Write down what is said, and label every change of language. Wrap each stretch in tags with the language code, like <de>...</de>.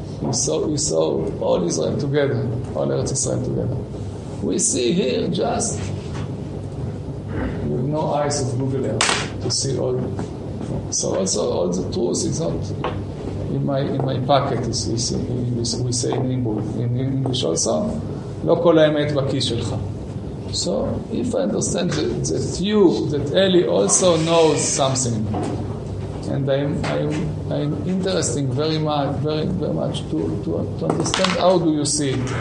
<en>We saw all Israel together, all Eretz Israel together. We see here just, you have no eyes of Google Earth to see all. So also all the truth is not in my pocket, as we say in English.</en> <he>In English also, לא כל האמת בכיס שלך.</he> <en>So, if I understand that Eli also knows something, and I'm interesting very much to understand how do you see</en>